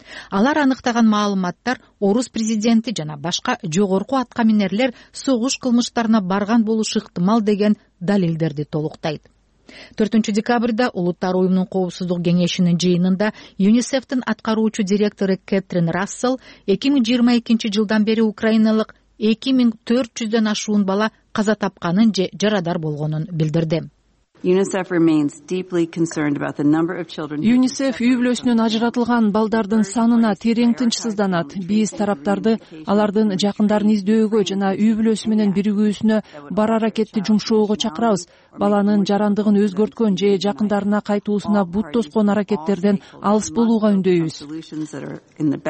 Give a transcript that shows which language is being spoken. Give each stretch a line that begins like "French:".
Kyrgyz: Алар аныктаган маалыматтар орус президенти жана башка жогорку атка минерлер согуш кылмыштарына барган болушу ыктымал деген далилдерди толуктайт. 4 декабрда Улуттар уюмунун коопсуздук кеңешинин жыйынында ЮНИСЕФтин аткаруучу директору Кэтрин Рассел 2022 жылдан бери украиналык 2400 ашуун бала каза тапканын же жарадар болгонун билдирди.
English: UNICEF remains deeply concerned about the number of children.
Kyrgyz: UNICEF үйлөсүнүн ажыратылган балдардын санына терең тынчсызданат. Биз тараптарды алардын жакындарын издөөгө жана үйлөсү менен биригүүсүнө бар аракетти жумшоого чакырабыз. Баланын жарандыгын өзгөрткөн же жакындарына кайтуусуна бут тоскон аракеттерден алыс болууга үндөйбүз.